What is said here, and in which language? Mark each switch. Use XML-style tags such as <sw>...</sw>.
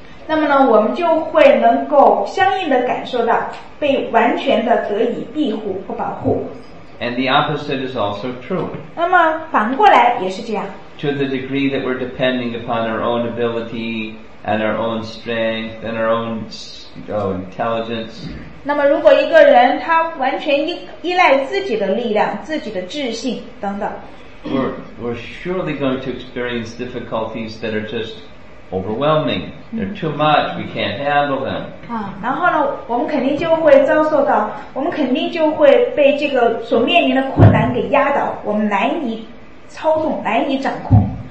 <zh>那么呢，我们就会能够相应的感受到被完全的得以庇护和保护。</zh> <en>And the opposite is also true.</en> <zh>那么反过来也是这样。</zh> <en>To the degree that we're depending upon our own ability and our own strength and our own intelligence.</en> <zh>那么如果一个人他完全依赖自己的力量、自己的智性等等。</zh> <en>We're surely going to experience difficulties that are just overwhelming. They're too much. We can't handle them.</en> <zh>然后呢，我们肯定就会遭受到，我们肯定就会被这个所面临的困难给压倒，我们难以操纵，难以掌控。</zh>